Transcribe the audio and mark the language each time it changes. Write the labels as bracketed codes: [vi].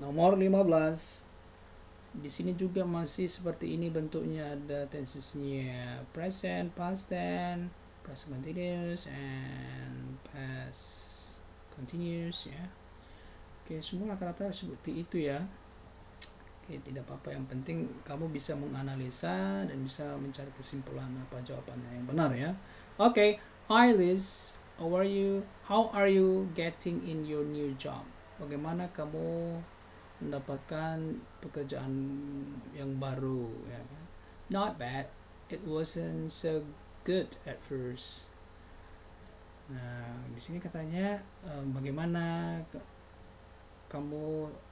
[id] Nomor 15. Di sini juga masih seperti ini bentuknya, ada tenses-nya present, past tense, present continuous and past continuous ya. Oke, semua rata-rata seperti itu ya. Oke, tidak apa-apa, yang penting kamu bisa menganalisa dan bisa mencari kesimpulan apa jawabannya yang benar ya. [en] Oke, hi Liz, how are you? How are you getting in your new job? [id] Bagaimana kamu mendapatkan pekerjaan yang baru ya. [en] Not bad. It wasn't so good at first. [id] Nah, di sini katanya bagaimana kamu